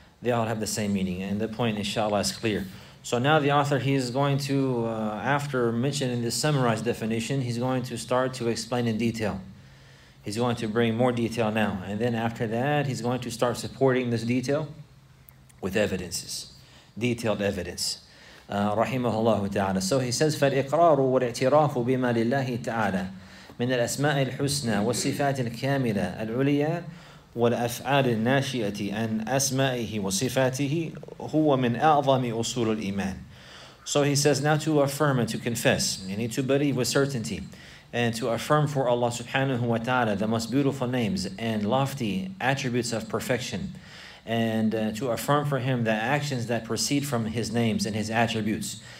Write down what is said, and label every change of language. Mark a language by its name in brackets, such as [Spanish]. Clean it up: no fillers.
[English] They all have the same meaning, and the point, inshallah, is clear. So now the author, he is going to, after mentioning this summarized definition, he's going to start to explain in detail. He's going to bring more detail now. And then after that, he's going to start supporting this detail with evidences, detailed evidence. [Arabic] Rahimahullah ta'ala. [English] So he says, [Arabic] فَالْإِقْرَارُ وَالْإِعْتِرَافُ بِمَا لِلَّهِ تَعَالَى مِنَ الْأَسْمَاءِ الْحُسْنَى وَالصِّفَاتِ الْكَامِلَةِ الْعُلِيَى والأفعال الناشئة عن أسمائه وصفاته هو من أعظم أصول الإيمان. [English] So he says, now to affirm and to confess, you need to believe with certainty, and to affirm for Allah subhanahu wa ta'ala the most beautiful names and lofty attributes of perfection, and to affirm for Him the actions that proceed from His names and His attributes.